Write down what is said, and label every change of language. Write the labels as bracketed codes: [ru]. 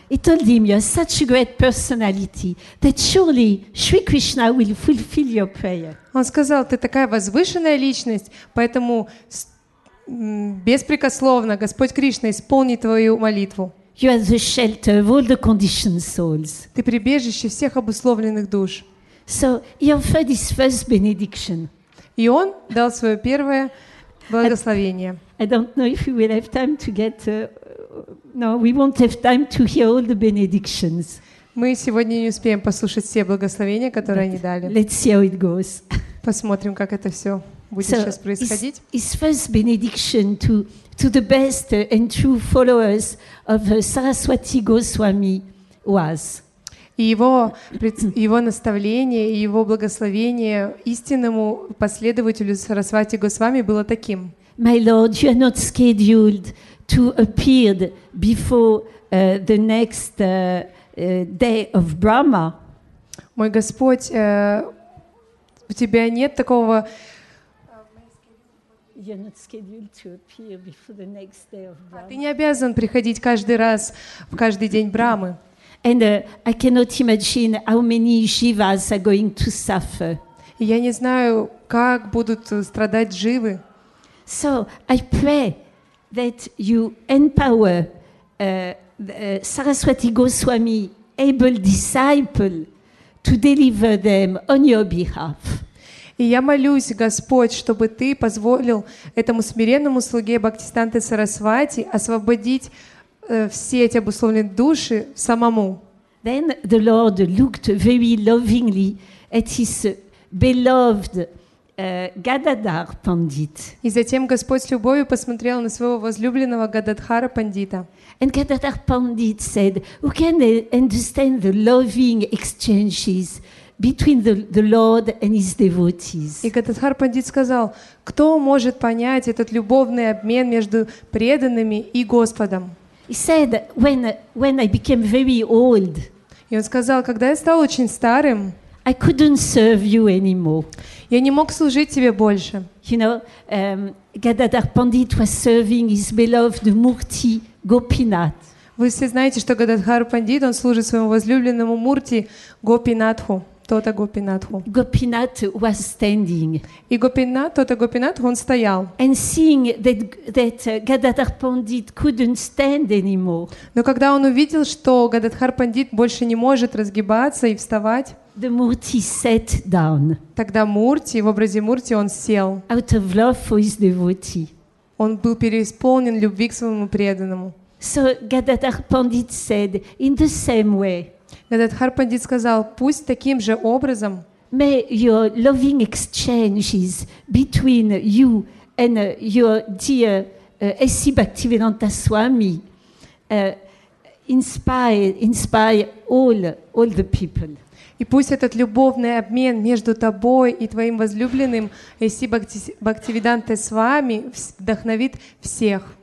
[en] He told him, you are such a great personality that surely Sri Krishna will fulfill your prayer. [ru] Он сказал, ты такая возвышенная личность, поэтому беспрекословно Господь Кришна исполнит твою молитву. [en] You are the shelter of all the conditioned souls. [ru] Ты прибежище всех обусловленных душ. [en] So he offered his first benediction. [ru] И он дал свое первое благословение. [en] I don't know if we will have time to get. No, we won't have time to hear all the benedictions. [ru] Мы сегодня не успеем послушать все благословения, которые они дали. [en] Let's see how it goes. [ru] Посмотрим, как это все будет сейчас происходить. [en] His first benediction to the best and true followers of Saraswati Goswami was. [ru] Его наставление и его благословение истинному последователю Сарасвати Госвами было таким. [en] My Lord, you are not scheduled to appear before the next day of Brahma. [ru] Мой Господь, у тебя нет такого. [en] You're not scheduled to appear before the next day of Brahma. [ru] Ты не обязан приходить каждый раз в каждый день Брамы. [en] And I cannot imagine how many jivas are going to suffer. [ru] Я не знаю, как будут страдать живы. [en] So I pray that you empower Saraswati Goswami, able disciple, to deliver them on your behalf. [ru] И я молюсь, Господь, чтобы Ты позволил этому смиренному слуге Бхактистанте Сарасвати освободить все эти обусловленные души самому. [en] Then the Lord looked very lovingly at his beloved Gadadhar Pandit. [ru] И затем Господь с любовью посмотрел на своего возлюбленного Гададхара Пандита. [en] And Gadadhar Pandit said, "Who can understand the loving exchanges between the Lord and his devotees?" [ru] И Гададхар Пандит сказал: "Кто может понять этот любовный обмен между преданными и Господом?" [en] He said, "When I became very old." [ru] И он сказал: "Когда я стал очень старым." [en] I couldn't serve you anymore. [ru] Я не мог служить тебе больше. [en] You know, Gadadhar Pandit was serving his beloved Murti Gopinath. [ru] Вы все знаете, что Гададхар Пандит, он служит своему возлюбленному Мурти Гопинатху, Тота Гопинатху. [en] Gopinath was standing. [ru] И Гопинат, Тота Гопинатху, он стоял. [en] And seeing that Gadadhar Pandit couldn't stand anymore. [ru] Но когда он увидел, что Гададхар Пандит больше не может разгибаться и вставать, [en] the Murti sat down. [ru] Тогда Мурти, в образе Мурти, он сел. [en] Out of love for his devotee. [ru] Он был переисполнен любви к своему преданному. [en] So Gadadhar Pandit said, in the same way. [ru] Гададхар Пандит сказал: пусть таким же образом. [en] May your loving exchanges between you and your dear Asi Bhaktivedanta Swami inspire all the people. [ru] И пусть этот любовный обмен между тобой и твоим возлюбленным Эси Бхактивиданте с вами вдохновит всех.